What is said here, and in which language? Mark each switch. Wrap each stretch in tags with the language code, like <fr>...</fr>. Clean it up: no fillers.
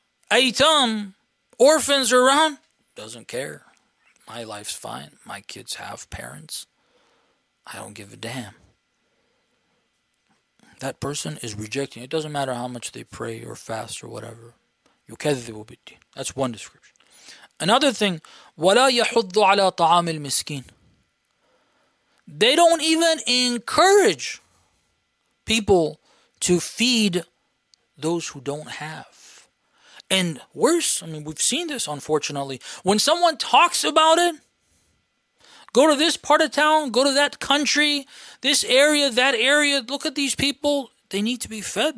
<en>Aitam. Orphans are around? Doesn't care. My life's fine. My kids have parents. I don't give a damn. That person is rejecting. It doesn't matter how much they pray or fast or whatever. That's one description. Another thing,</en> <ar>وَلَا يَحُضُّ عَلَىٰ طَعَامِ الْمِسْكِينَ.</ar> <en>They don't even encourage people to feed those who don't have. And worse, I mean, we've seen this, unfortunately. When someone talks about it, go to this part of town, go to that country, this area, that area, look at these people. They need to be fed.</en>